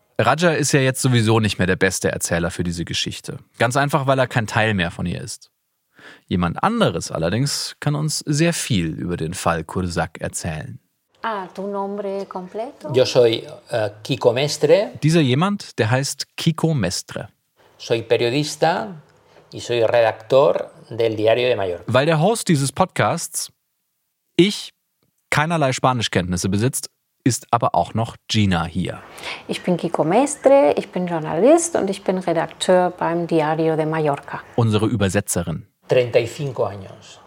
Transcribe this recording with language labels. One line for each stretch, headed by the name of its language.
German: Raja ist ja jetzt sowieso nicht mehr der beste Erzähler für diese Geschichte. Ganz einfach, weil er kein Teil mehr von ihr ist. Jemand anderes allerdings kann uns sehr viel über den Fall Cursac erzählen.
Spanish: Ah, tu nombre completo? Yo soy Kiko Mestre.
German: Dieser jemand, der heißt Kiko Mestre.
Spanish: Soy periodista y soy redactor del Diario de Mallorca.
German: Weil der Host dieses Podcasts, ich, keinerlei Spanischkenntnisse besitzt, ist aber auch noch Gina hier. Ich bin Kiko Mestre, ich bin Journalist und ich bin Redakteur beim Diario de Mallorca. Unsere Übersetzerin.
Spanish: 35 años.